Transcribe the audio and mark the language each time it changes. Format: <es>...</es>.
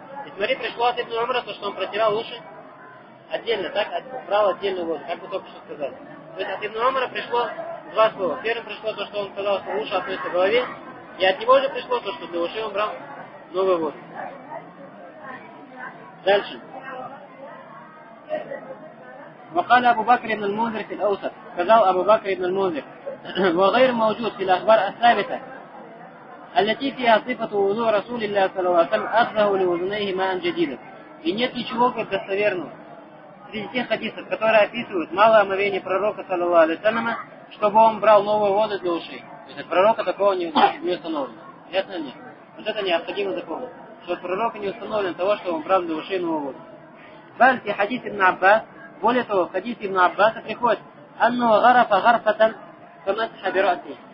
<ru>И смотри, пришло от Ибн Умара, то, что он протирал уши отдельно, так, брал отдельную воду, как мы только что сказали. То есть, от Ибн Умара пришло два слова. Первым пришло то, что он сказал, что уши относятся к голове, и от него же пришло то, что для ушей он брал новую воду. Дальше.</ru> <ar>وقال أبو بكر بن المنذر في الأوسط قال أبو بكر بن المنذر وغير موجود في الأخبار الثابتة التي فيها صفة وضوء رسول الله صلى الله عليه وسلم أخذه لأذنيه ماء جديد</ar> <ru>и нет ничего как достоверного среди тех хадисов, которые описывают малое омовение пророка صلى الله عليه وسلم, чтобы он брал новую воду для ушей. То есть от пророка такого не установлено. Ясно ли? Вот это необходимо запомнить, что от пророка не установлено того, чтобы он брал для ушей новую воду. Бальти хадис ибн Аббас. Более того, в хадисе ибн Аббаса приходит</ru> <ar>«Анну гарафа гарфатан фамасха бираси».</ar>